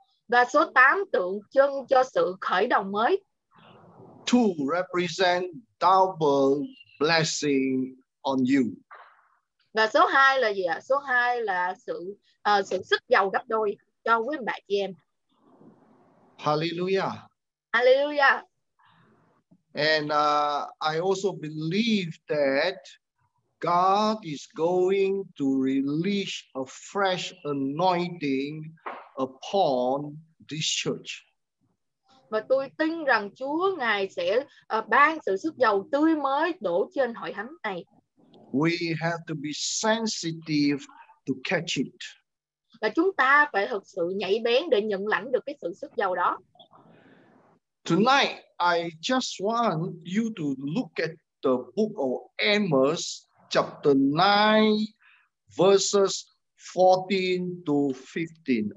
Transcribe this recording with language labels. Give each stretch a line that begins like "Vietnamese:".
Vietnamese: Và số 8 tượng trưng cho sự khởi đầu mới.
English: 2 represent double blessing on you.
Vietnamese: Và số 2 là gì ạ? Số 2 là sự sức giàu gấp đôi cho quý anh bạn chị em.
English: Hallelujah. Hallelujah. And I also believe that God is going to release a fresh anointing upon this church.
Vietnamese: Và tôi tin rằng Chúa Ngài sẽ ban sự sức dầu tươi mới đổ trên hội thánh này.
English: We have to be sensitive to catch it.
Vietnamese: Và chúng ta phải thực sự nhạy bén để nhận lãnh được cái sự sức dầu đó.
English: Tonight, I just want you to look at the book of Amos, chapter 9, verses 14 to 15.